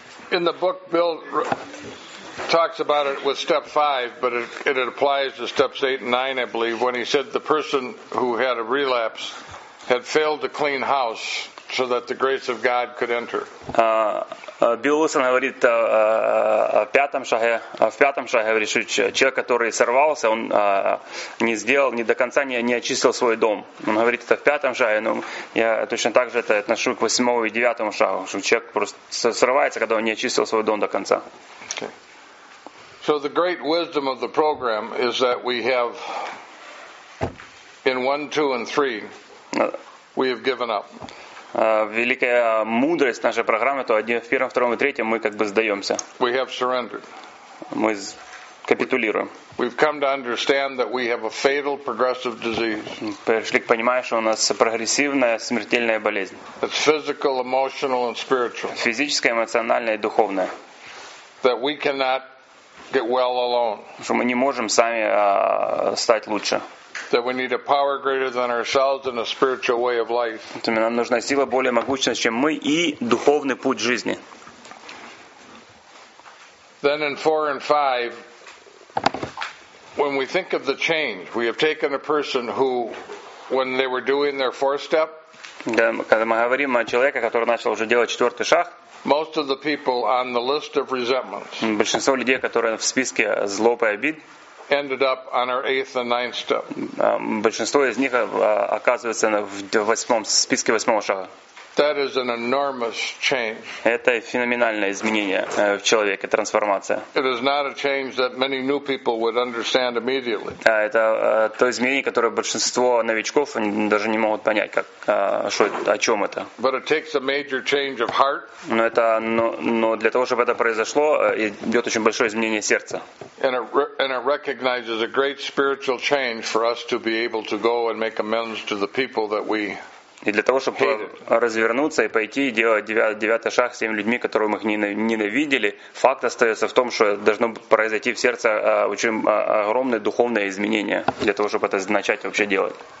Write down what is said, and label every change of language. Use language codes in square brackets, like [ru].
[en] In the book, Bill talks about it with step 5, but it applies to steps 8 and 9, I believe, when he said the person who had a relapse had failed to clean house so that the grace of God could enter. [ru] Билл Уилсон говорит в пятом шаге, говорит, что человек, который сорвался, он не сделал, не до конца не очистил свой дом. Он говорит это в пятом шаге, но я точно так же это отношу к восьмому и девятому шагу, что человек просто срывается, когда он не очистил свой дом до конца. [en] Okay. So the great wisdom of the program is that we have in 1, 2, and 3 we have given up. [ru] Великая мудрость нашей программы, то в первом, втором и третьем мы как бы сдаемся. [en] We have surrendered. [ru] Мы капитулируем. [en] We've come to understand that we have a fatal progressive disease. [ru] Пришли к пониманию, что у нас прогрессивная смертельная болезнь. [en] It's physical, emotional, and spiritual. [ru] Физическая, эмоциональная и духовная. [en] That we cannot get well alone. [ru] Что мы не можем сами стать лучше. [en] That we need a power greater than ourselves and a spiritual way of life. [ru] То есть нам нужна сила более могущественная, чем мы, и духовный путь жизни. [en] Then in 4 and 5, when we think of the change, we have taken a person who, when they were doing their fourth step, [ru] когда мы говорим о человеке, который начал уже делать четвертый шаг, [en] most of the people on the list of resentments, [ru] большинство людей, которые в списке злоб и обид, [en] ended up on our eighth and ninth step. [ru] Большинство из них оказывается в восьмом списке восьмого шага. [en] That is an enormous change. [ru] Это феноменальное изменение в человеке, трансформация. [en] It is not a change that many new people would understand immediately. [ru] Это то изменение, которое большинство новичков даже не могут понять, как что о чем это. [en] But it takes a major change of heart. [ru] Но это но для того, чтобы это произошло, идет очень большое изменение сердца. [en] And it recognizes a great spiritual change for us to be able to go and make amends to the people that we. [ru] И для того, чтобы развернуться и пойти и делать девятый шаг с теми людьми, которые мы их ненавидели, факт остается в том, что должно произойти в сердце очень огромное духовное изменение для того, чтобы это начать вообще делать.